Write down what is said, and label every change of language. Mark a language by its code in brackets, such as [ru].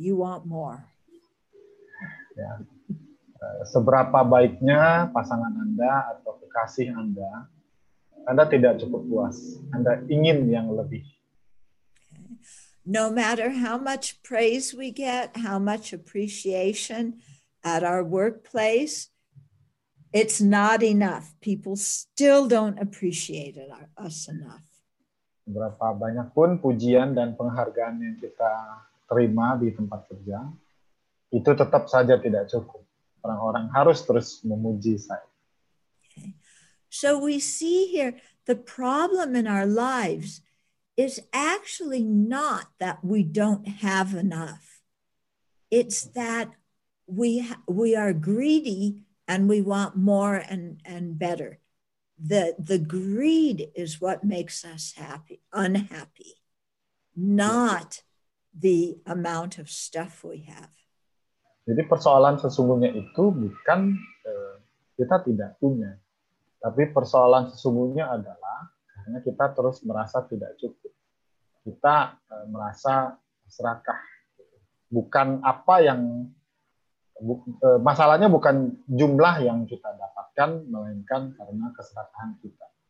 [en] You want more. [id] Ya. Seberapa baiknya pasangan Anda atau kekasih Anda, Anda tidak cukup puas. Anda ingin yang lebih. [en] No matter how much praise we get, how much appreciation at our workplace, it's not enough. People still don't appreciate us enough. [id] Berapa banyak pun pujian dan penghargaan yang kita terima di tempat kerja, itu tetap saja tidak cukup. Orang-orang harus terus memuji saya. [en] Okay. So we see here the problem in our lives is actually not that we don't have enough. It's that we are greedy and we want more and better. the greed is what makes us happy, unhappy, not the amount of stuff we have. [id] Jadi persoalan sesungguhnya itu bukan kita tidak punya, tapi persoalan sesungguhnya adalah karena kita terus merasa tidak cukup. Kita merasa serakah. Bukan apa yang masalahnya bukan jumlah yang kita dapatkan, melainkan karena keserakahan kita.